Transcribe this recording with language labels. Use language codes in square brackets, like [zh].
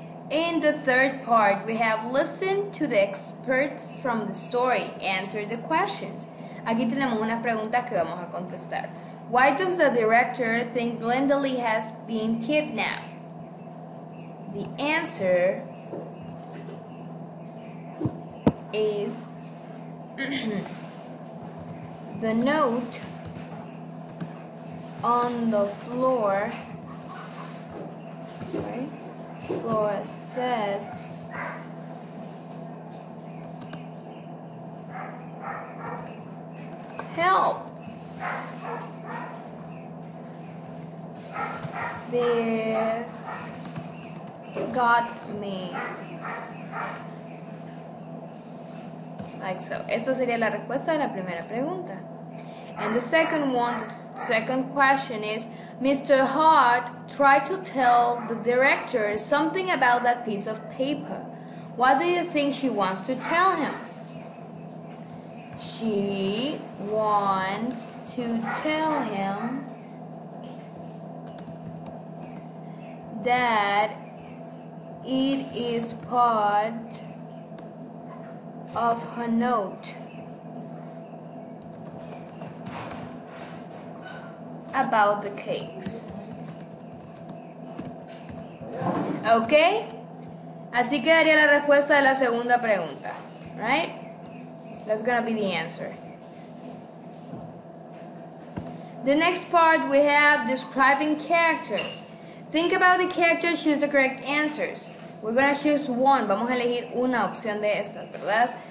[en] In the third part, we have listened to the experts from the story. Answer the questions. [es] Aquí tenemos una pregunta que vamos a contestar. [en] Why does the director think Glenda Lee has been kidnapped? The answer is the note on the floor. Sorry, floor says help. They got me. Like so. [es] Esta sería la respuesta a la primera pregunta. [en] And the second one, the second question is, Mr. Hart tried to tell the director something about that piece of paper. What do you think she wants to tell him? She wants to tell him that it is part of her note about the cakes. Okay? [es] Así quedaría la respuesta de la segunda pregunta, right? [en] That's gonna be the answer. The next part we have describing characters. Think about the characters, choose the correct answers. We're gonna choose one. [es] Vamos a elegir una opción de estas, ¿verdad?